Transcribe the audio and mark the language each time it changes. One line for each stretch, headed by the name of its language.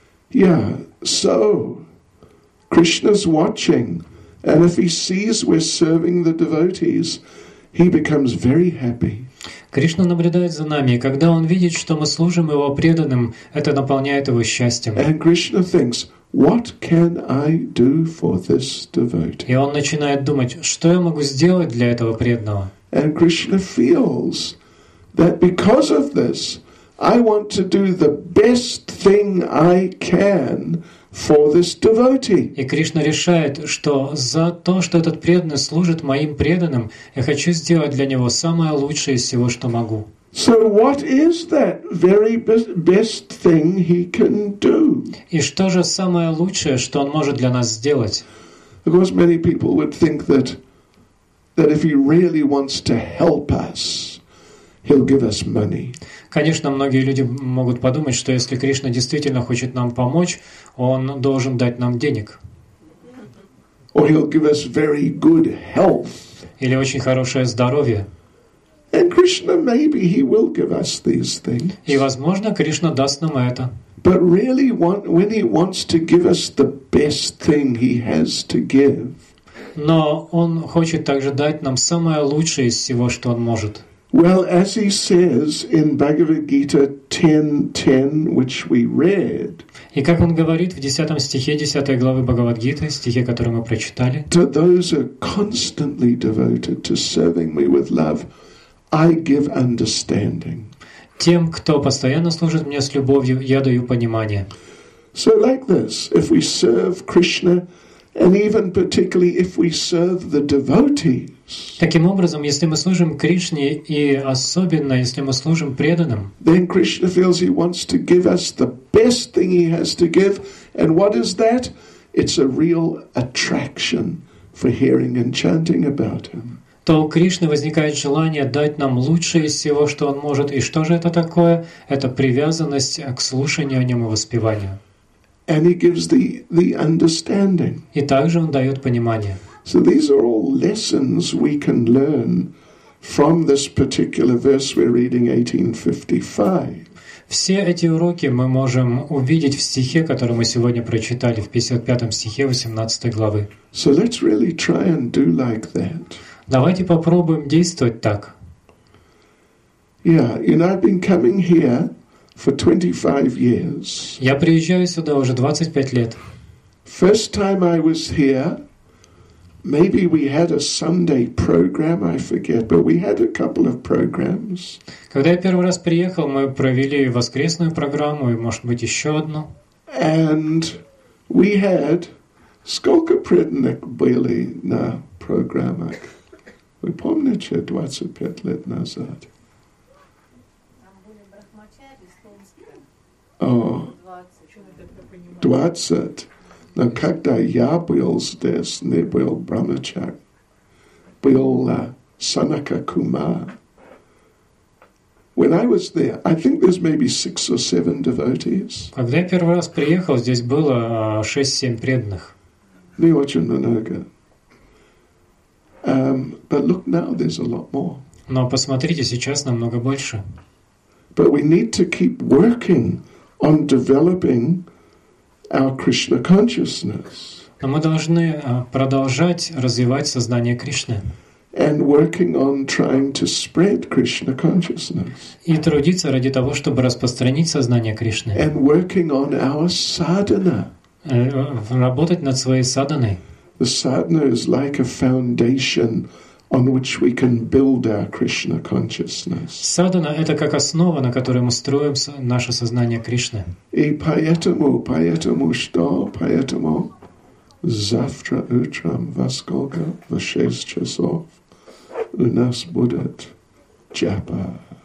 English: Yeah, so Krishna's watching, and if he sees we're serving the devotees, he becomes very happy.
Russian: Кришна наблюдает за нами, и когда он видит, что мы служим его преданным, это наполняет его счастьем.
English: And Krishna thinks, what can I do for this devotee?
Russian: И он начинает думать, что я могу сделать для этого преданного.
English: And Krishna feels that because of this, I want to do the best thing I can for this devotee.
Russian: И Кришна решает, что за то, что этот преданный служит моим преданным, я хочу сделать для него самое лучшее из всего, что могу.
English: So what is that very best thing he can do?
Russian: И что же самое лучшее, что он может для нас сделать?
English: Because many people would think that if he really wants to help us, he'll give us money.
Russian: Конечно, многие люди могут подумать, что если Кришна действительно хочет нам помочь, он должен дать нам денег.
English: Or he'll give us very good health.
Russian: Или очень хорошее здоровье.
English: And Krishna, maybe he will give us these things.
Russian: И возможно, Кришна даст нам это.
English: But really, when he wants to give us the best thing he has to give.
Russian: Но он хочет также дать нам самое лучшее из всего, что он может.
English: Well, as he says in Bhagavad Gita 10:10, which we read.
Russian: И как он говорит в 10 стихе 10 главы Бхагавад Гиты, стихе, который мы прочитали.
English: To those who are constantly devoted to serving me with love, I give understanding.
Russian: Тем, кто постоянно служит мне с любовью, я даю понимание.
English: So like this, if we serve Krishna, and even particularly if we serve the devotees.
Russian: Таким образом, если мы служим Кришне и особенно если мы служим преданным.
English: Then Krishna feels he wants to give us the best thing he has to give, and what is that? It's a real attraction for hearing and chanting about him.
Russian: То у Кришны возникает желание дать нам лучшее из всего, что Он может. И что же это такое? Это привязанность к слушанию о Нем и воспеванию.
English: And he gives the understanding.
Russian: И также Он дает понимание.
English: So these are all lessons we can learn from this particular verse we're reading, 18:55.
Russian: Все эти уроки мы можем увидеть в стихе, который мы сегодня прочитали, в 55 стихе 18 главы.
English: So let's really try and do like that.
Russian: Давайте попробуем действовать так.
English: Yeah, you know, I've been coming here for 25 years.
Russian: Я приезжаю сюда уже 25 лет.
English: First time I was here, Maybe we had a Sunday program, I forget, but we had a couple of programs.
Russian: Когда я первый раз приехал, мы провели воскресную программу и, может быть, еще одну.
English: And we had
Russian: сколько предных были на программах? Вы помните 25 лет назад? Там были брахмачари, столбцы. 20. Но когда я был здесь, не был брахмачар, был Санака Кумар.
English: When I was there, I think there's maybe 6 or 7 devotees.
Russian: Когда я первый раз приехал, здесь было 6-7 преданных. Не очень много.
English: But look now, there's a lot more.
Russian: Но посмотрите, сейчас намного больше.
English: But we need to keep working on developing our Krishna consciousness.
Russian: Но мы должны продолжать развивать сознание Кришны.
English: And working on trying to spread Krishna consciousness.
Russian: И трудиться ради того, чтобы распространить сознание Кришны.
English: And working on our sadhana.
Russian: Работать над своей садханой.
English: The sadhana is like a foundation on which we can build our Krishna consciousness.
Russian: Садхана — это как основа, на которой мы строим наше сознание Кришны. И поэтому что? Поэтому завтра утром во сколько? Во 6 часов у нас будет джапа.